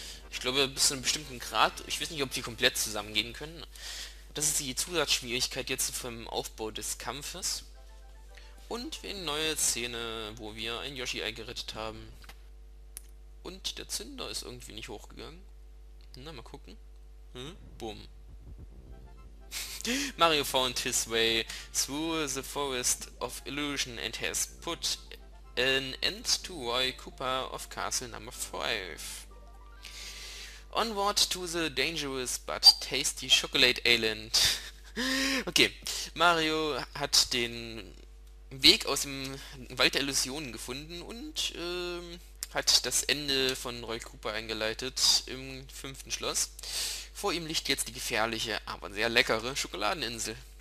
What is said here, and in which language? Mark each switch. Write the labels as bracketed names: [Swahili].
[German] Ich glaube, bis zu einem bestimmten Grad. Ich weiß nicht, ob die komplett zusammengehen können. Das ist die Zusatzschwierigkeit jetzt vom Aufbau des Kampfes. Und eine neue Szene, wo wir ein Yoshi-Ei gerettet haben. Und der Zünder ist irgendwie nicht hochgegangen. Na, mal gucken. Hm? Boom. [English] Mario found his way through the forest of illusion and has put an end to Roy Cooper of Castle Number 5. Onward to the dangerous but tasty chocolate island. [German] Okay, Mario hat den Weg aus dem Wald der Illusionen gefunden und hat das Ende von Roy Cooper eingeleitet im 5. Schloss. Vor ihm liegt jetzt die gefährliche, aber sehr leckere Schokoladeninsel.